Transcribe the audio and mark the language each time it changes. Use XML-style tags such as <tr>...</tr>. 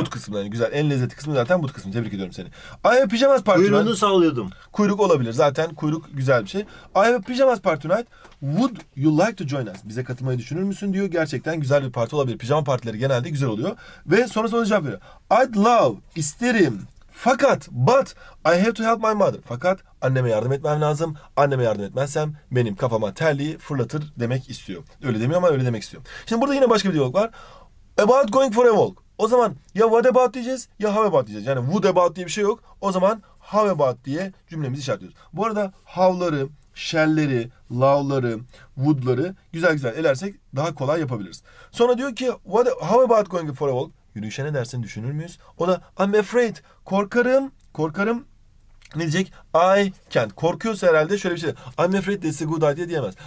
<tr>But kısmındaydım. Güzel. En lezzetli kısmı zaten but kısmı. Tebrik ediyorum seni. Ay, pijamas parti. Kuyruğunu sallıyordum. Kuyruk olabilir. Zaten kuyruk güzel bir şey.</tr> <en>I have a pyjamas party tonight. Would you like to join us?</en> <tr>Bize katılmayı düşünür müsün diyor. Gerçekten güzel bir parti olabilir. Pijama partileri genelde güzel oluyor. Ve sonrasında cevap veriyor.</tr> <en>I'd love,</en> <tr>isterim.</tr> <en>Fakat, but, I have to help my mother.</en> <tr>Fakat, anneme yardım etmem lazım. Anneme yardım etmezsem benim kafama terliği fırlatır demek istiyor. Öyle demiyor ama öyle demek istiyor. Şimdi burada yine başka bir diyalog var.</tr> <en>About going for a walk.</en> <tr>O zaman ya what about diyeceğiz ya how about diyeceğiz. Yani would about diye bir şey yok. O zaman how about diye cümlemizi işaretliyoruz. Bu arada how'ları, shall'leri, love'ları, would'ları güzel güzel elersek daha kolay yapabiliriz. Sonra diyor ki</tr> <en>what, how about going for a walk?</en> <tr>Yürüyüşe ne dersin, düşünür müyüz? O da</tr> <en>I'm afraid.</en> <tr>Korkarım. Korkarım. Ne diyecek?</tr> <en>I can't.</en> <tr>Korkuyorsa herhalde şöyle bir şey.</tr> <en>I'm afraid this is a good idea</en> <tr>diyemez.</tr>